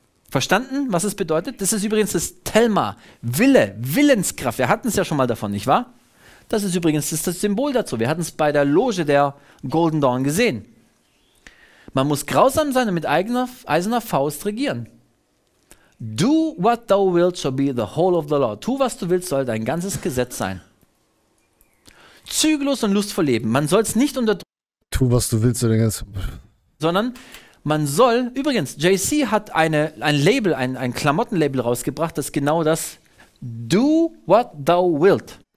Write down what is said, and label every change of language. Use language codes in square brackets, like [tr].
[de] Verstanden, was es bedeutet? Das ist übrigens das Thelma, Wille, Willenskraft. Wir hatten es ja schon mal davon, nicht wahr? Das ist übrigens das Symbol dazu. Wir hatten es bei der Loge der Golden Dawn gesehen. Man muss grausam sein und mit eiserner Faust regieren. [en] Do what thou wilt shall be the whole of the law. [de] Tu, was du willst, soll dein ganzes Gesetz sein. Zügellos und lustvoll leben. Man soll es nicht unterdrücken. Tu, was du willst, soll dein ganzes... Sondern man soll... Übrigens, JC hat ein Klamottenlabel rausgebracht, das genau das... [en] Do what thou wilt.